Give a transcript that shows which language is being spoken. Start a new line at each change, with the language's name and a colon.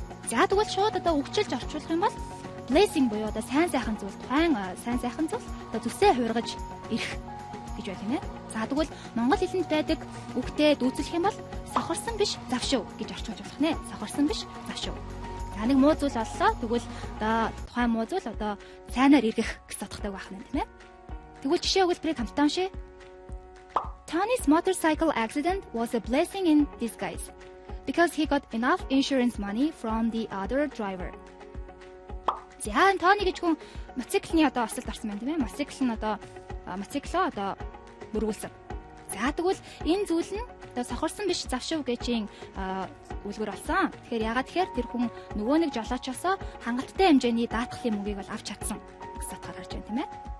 Mongolian: За тэгвэл шууд одоо үгчилж орчуулах юм бол blessing буюу одоо сайн сайхан зүйл, тухайн сайн сайхан зүйл одоо зүсээ хувиргаж ирэх гэж байна тийм ээ. За тэгвэл монгол хэлэнд байдаг үгтэй дүүцэлх юм бол сохорсон биш завшив гэж орчуулж болох нэ. Сохорсон биш завшив. За нэг муу зүйл оллоо. Тэгвэл одоо тухайн муу зүйл одоо сайнаар эргэх гэж бодохтой байх юм тийм ээ. Тэгвэл жишээ өгүүлбэрийг хамтдаа уншъя.
English: Tony's motorcycle accident was a blessing in disguise because he got enough insurance money from the other driver.
Mongolian: За энэ Tony гэж хүн мотоциклны одоо ослолд орсон байна тийм ээ. Мотоцикл нь одоо мотоциклоо одоо мөргүүлсэн. За тэгвэл энэ зүйл нь одоо сохорсон биш завшив гэжийн үлгэр болсон. Тэгэхээр ягаад тэгэхээр тэр хүн нөгөө нэг жолоочосоо хангалттай хэмжээний даатгалын мөнгийг бол авч чадсан гэсэн утгаар гарч байна тийм ээ.